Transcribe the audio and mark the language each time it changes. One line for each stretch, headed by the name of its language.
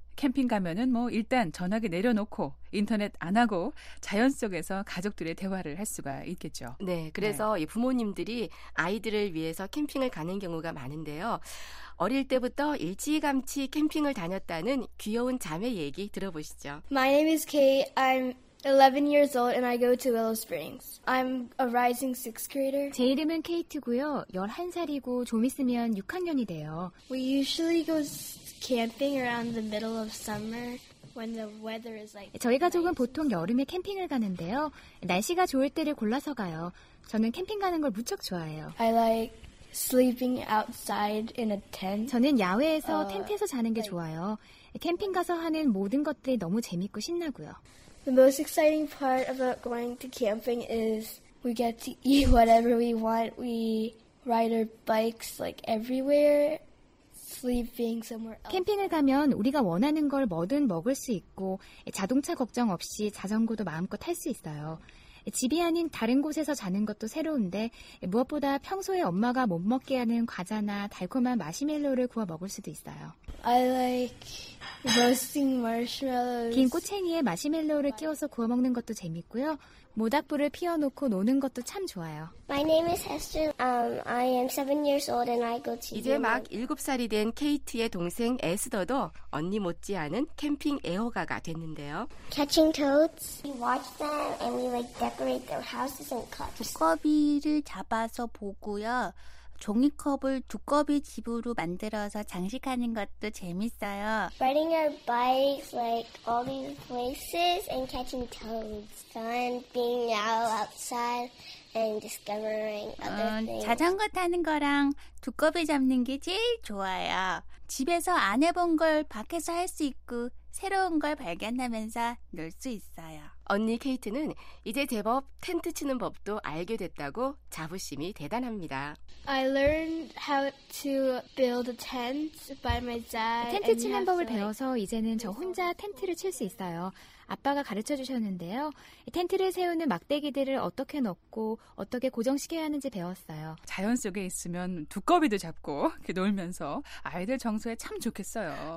Korean: 캠핑 가면은 뭐 일단 전화기 내려놓고 인터넷 안 하고 자연 속에서 가족들의 대화를 할 수가 있겠죠. 네, 그래서 네. 이 부모님들이 아이들을 위해서 캠핑을 가는 경우가 많은데요. 어릴 때부터 일찌감치 캠핑을 다녔다는 귀여운 자매 얘기 들어보시죠.
English: My name is Kate. I'm 11 years old and I go to Willow Springs. I'm a rising 6th grader.
Korean: 제 이름은 케이트고요. 11살이고 좀 있으면 6학년이 돼요.
English: We usually go camping around the middle of summer. when the weather is like
Korean: 저희 가족은 보통 여름에 캠핑을 가는데요. 날씨가 좋을 때를 골라서 가요. 저는 캠핑 가는 걸 무척 좋아해요.
English: I like sleeping outside in a tent.
Korean: 저는 야외에서 텐트에서 자는 게 좋아요. 캠핑 가서 하는 모든 것들이 너무 재밌고 신나고요.
English: The most exciting part about going to camping is we get to eat whatever we want. We ride our bikes like everywhere. Sleeping somewhere else.
Korean: 캠핑을 가면 우리가 원하는 걸 뭐든 먹을 수 있고 자동차 걱정 없이 자전거도 마음껏 탈 수 있어요. 집이 아닌 다른 곳에서 자는 것도 새로운데 무엇보다 평소에 엄마가 못 먹게 하는 과자나 달콤한 마시멜로를 구워 먹을 수도 있어요.
English: I like roasting marshmallows.
Korean: 긴 꼬챙이에 마시멜로를 끼워서 구워 먹는 것도 재밌고요. 모닥불을 피워놓고 노는 것도 참 좋아요.
English: My name is Hester. I am 7 years old and I go to
Korean: 이제 막 7살이 된 케이트의 동생 에스더도 언니 못지않은 캠핑 애호가가 됐는데요.
English: Catching toads. We watch them and we like decorate their houses and cups.
Korean: 두꺼비를 잡아서 보고요. 종이컵을 두꺼비 집으로 만들어서 장식하는 것도 재밌어요.
English: Riding our bikes like all these places and catching toads. Fun being out outside and discovering other things.
Korean: 자전거 타는 거랑 두꺼비 잡는 게 제일 좋아요. 집에서 안 해본 걸 밖에서 할 수 있고 새로운 걸 발견하면서 놀 수 있어요. 언니 케이트는 이제 제법 텐트 치는 법도 알게 됐다고 자부심이 대단합니다.
English: I learned how to build a tent by my dad.
Korean: 텐트 치는 법을 배워서 이제는 저 혼자 텐트를 칠 수 있어요. 아빠가 가르쳐 주셨는데요. 텐트를 세우는 막대기들을 어떻게 넣고 어떻게 고정시켜야 하는지 배웠어요. 자연 속에 있으면 두꺼비도 잡고 놀면서 아이들 정서에 참 좋겠어요.